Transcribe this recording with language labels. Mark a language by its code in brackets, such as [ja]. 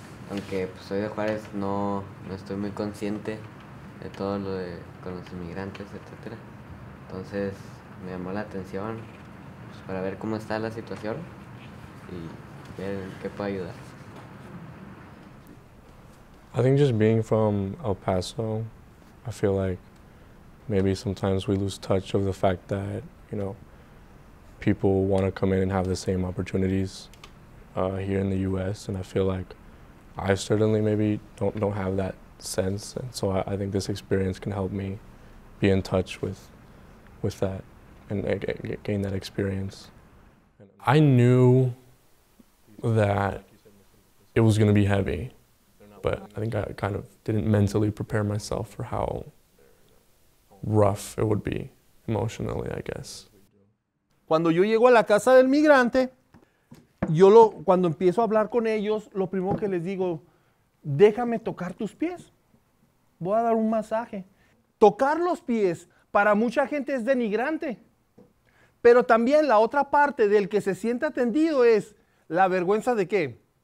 [es] Aunque pues, soy de Juárez, no estoy muy consciente de todo lo de con los inmigrantes, etc. Entonces, me llamó la atención pues, para ver cómo está la situación y ver qué puedo ayudar. [en] I think just being from El Paso, I feel like maybe sometimes we lose touch of the fact that, you know, people want to come in and have the same opportunities here in the US. And I feel like I certainly maybe don't have that sense. And so I think this experience can help me be in touch with that and gain that experience. I knew that it was going to be heavy. But I think I kind of didn't mentally prepare myself for how rough it would be emotionally, I guess. [es] Cuando yo llego a la casa del migrante, cuando empiezo a hablar con ellos, lo primero que les digo, déjame tocar tus pies. Voy a dar un masaje. Tocar los pies para mucha gente es denigrante. Pero también la otra parte del que se siente atendido es la vergüenza de qué?